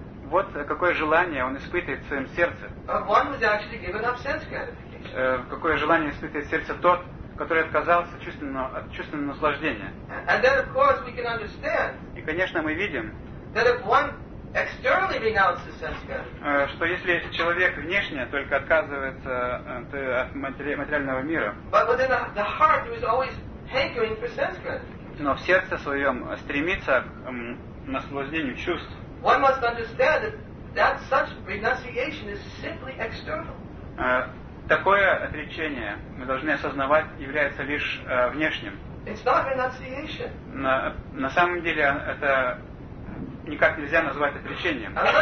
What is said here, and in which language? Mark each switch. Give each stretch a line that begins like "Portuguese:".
Russian: Вот какое желание он испытывает в своем сердце. Какое желание испытывает в сердце тот, который отказался от чувственного наслаждения.
English: And then, of course, we can understand,
Russian: и, конечно, мы видим,
English: that if one externally renounces sense gratification,
Russian: что если человек внешне только отказывается от материального мира,
English: but within the heart, he was always hankering for sense gratification.
Russian: Но в сердце своем стремится к наслаждению чувств.
English: One must understand that, that such renunciation is simply external.
Russian: Такое отречение, мы должны осознавать, является лишь внешним.
English: It's not renunciation.
Russian: На самом деле это никак нельзя назвать отречением.